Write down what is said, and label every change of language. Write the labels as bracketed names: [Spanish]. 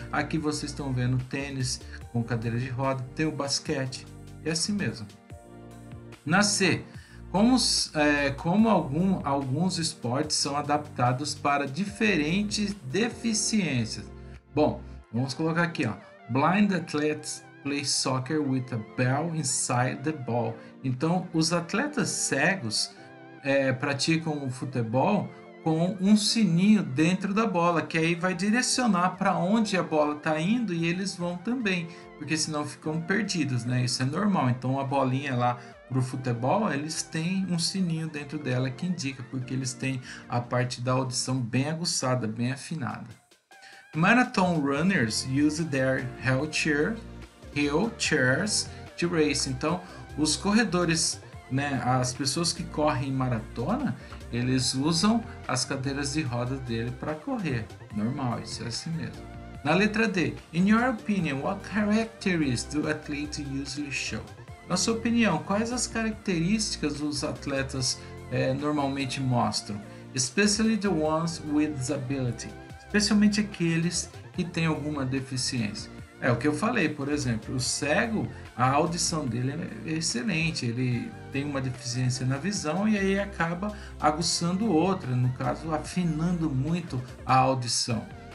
[Portuguese] Aqui vocês estão vendo tênis com cadeira de roda, tem o basquete, e assim mesmo. Na C, alguns esportes são adaptados para diferentes deficiências? Bom, vamos colocar aqui, ó. [English] Blind athletes play soccer with a bell inside the ball. [Portuguese] Então, os atletas cegos praticam o futebol com um sininho dentro da bola, que aí vai direcionar para onde a bola está indo e eles vão também, porque senão ficam perdidos, né? Isso é normal. Então, a bolinha lá para o futebol, eles têm um sininho dentro dela que indica, porque eles têm a parte da audição bem aguçada, bem afinada. [English] Marathon runners use their wheelchairs to race. [Portuguese] Então, os corredores, né, as pessoas que correm em maratona, eles usam as cadeiras de rodas dele para correr. Normal, isso é assim mesmo. Na letra D, [English] in your opinion, what characteristics do athlete usually show? [Portuguese] Na sua opinião, quais as características os atletas normalmente mostram? [English] Especially the ones with disability. [Portuguese] Especialmente aqueles que têm alguma deficiência. É o que eu falei, por exemplo, o cego, a audição dele é excelente, ele tem uma deficiência na visão e aí acaba aguçando outra, no caso, afinando muito a audição.